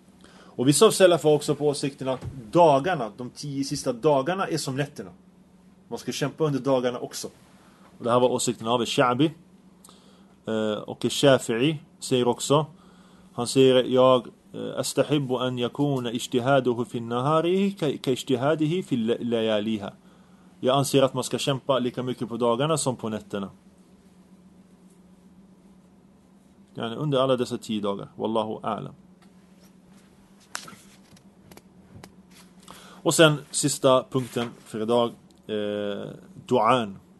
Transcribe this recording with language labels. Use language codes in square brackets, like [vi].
[sv] Och vissa av sällan får också på åsikten att dagarna, de 10 sista dagarna, är som nätterna. Man ska kämpa under dagarna också. Och det här var åsikten av Shabi. Och Shafi'i säger också, han säger, jag [ar] استحب ان يكون اجتهاده في النهار كاجتهاده في لياليها. [sv] Jag anser att man ska kämpa lika mycket på dagarna som på nätterna. Yani under alla dessa 10 dagar. [ar] Wallahu a'lam. [sv] Och sen sista punkten för idag. Du'an.